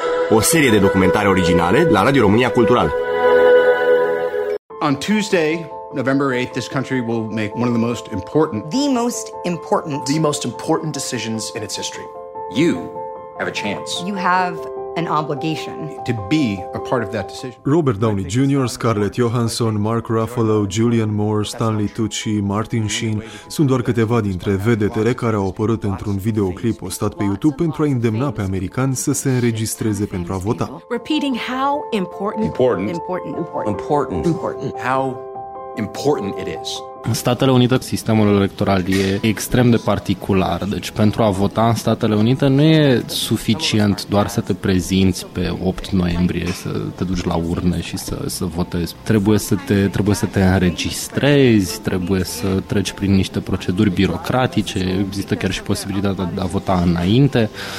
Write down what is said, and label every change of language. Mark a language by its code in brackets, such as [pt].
[ro] O serie de documentare originale la Radio România Culturală. [en] On Tuesday, November 8th, this country will make one of the most important the most important decisions in its history. You have a chance. You have an obligation to be a part of that decision. [ro] Robert Downey Jr., Scarlett Johansson, Mark Ruffalo, Julianne Moore, Stanley Tucci, Martin Sheen sunt doar câteva dintre vedetele care au apărut într-un videoclip postat pe YouTube pentru a îndemna pe americani să se înregistreze pentru a vota. [en] Repeating how important how important it is. [ro] În Statele Unite, sistemul electoral e extrem de particular, deci pentru a vota în Statele Unite nu e suficient doar să te prezinți pe 8 noiembrie, să te duci la urne și să votezi. Trebuie să te înregistrezi, trebuie să treci prin niște proceduri birocratice, există chiar și posibilitatea de a vota înainte.